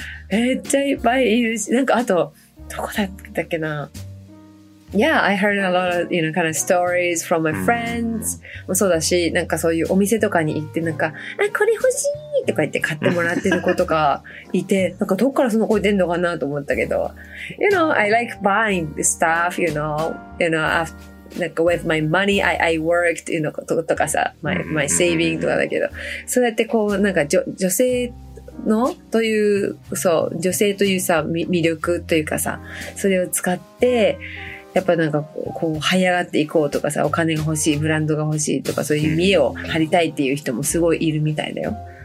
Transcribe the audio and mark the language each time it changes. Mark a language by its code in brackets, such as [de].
[ja] めっちゃいっぱいいるし、なんかあと、どこだったっけな。 [en] Yeah, I heard a lot of, you know, kind of stories from my friends. [ja] もそうだし、なんかそういうお店とかに行って、なんか、あ、これ欲しいとか言って買ってもらってる子とかいて、なんかどっからその声出んのかなと思ったけど。 [en] You know, I like buying stuff, you know, after, like with my money, I worked, you know, とかさ、my saving とかだけど。 [ja] そうやってこう、なんか女性、のという、そう、女性というさ、魅力というかさ、それを使って、やっぱなんかこう、這い上がっていこうとかさ、お金が欲しい、ブランドが欲しいとか、そういう見栄を張りたいっていう人もすごいいるみたいだよ。